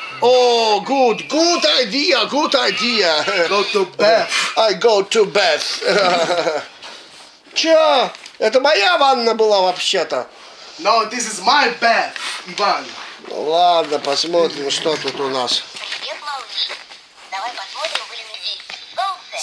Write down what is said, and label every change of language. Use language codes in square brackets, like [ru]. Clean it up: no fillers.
[en] Oh, good, good idea, good idea. Go to bath. I go to bath. [ru] Чё? Это моя ванна была вообще-то. [en] No, this is my bath, Иван. [ru] Ну, ладно, посмотрим, что тут у нас. Привет, малыш. Давай посмотрим, будем здесь.